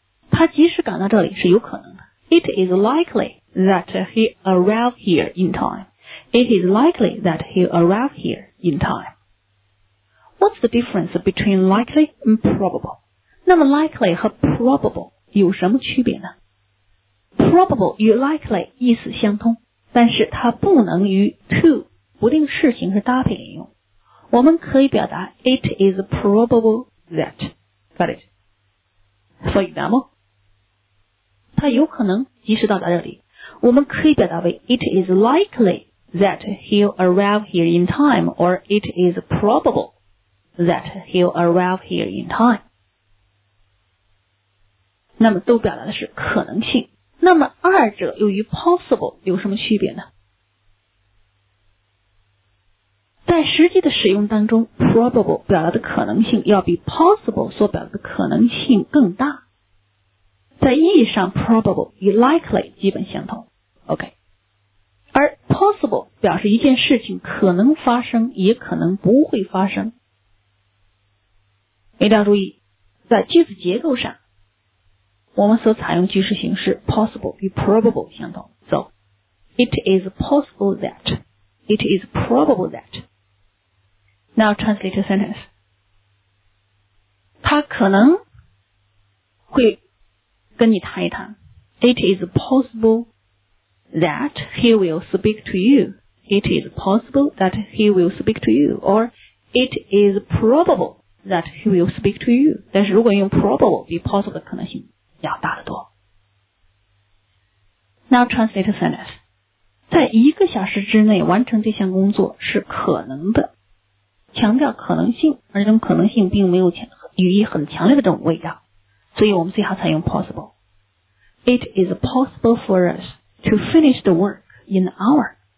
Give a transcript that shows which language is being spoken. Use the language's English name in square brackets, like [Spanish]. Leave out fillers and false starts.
[Chinese] 他即使赶到这里是有可能的。 [English] It is likely that he arrived here in time. It is likely that he arrived here in time. What's the difference between likely and probable? [Chinese] 那么 likely 和 probable 有什么区别呢？probable 与 likely 意思相通，但是它不能与 to 不定式形式搭配连用。我们可以表达 [English] it is probable that, got it? For example, [Chinese] 它有可能及时到达这里。我们可以表达为 [English] it is likely that he'll arrive here in time, or it is probable that he'll arrive here in time. [Chinese] 那么都表达的是可能性。那么二者又与 possible 有什么区别呢？在实际的使用当中 probable 表达的可能性要比 possible 所表达的可能性更大。在意义上 probable 与 likely 基本相同。 [English] OK。 [Chinese] 而 possible 表示一件事情可能发生也可能不会发生。一定要注意在句子结构上我们所采用句式形式 possible 与 probable 相同。 [English] So, it is possible that, it is probable that. Now translate a sentence. [Chinese] 他可能会跟你谈一谈。 [English] It is possible that he will speak to you. It is possible that he will speak to you. Or, it is probable that he will speak to you. [Chinese] 但是如果用 probable 与 possible 的可能性要大得多。 [English] Now translate a sentence. [Chinese] 在一个小时之内完成这项工作是可能的。强调可能性，而这种可能性并没有予以很强烈的这种味道。所以我们最好采用 possible. [English] It is possible for us to finish the work in an hour.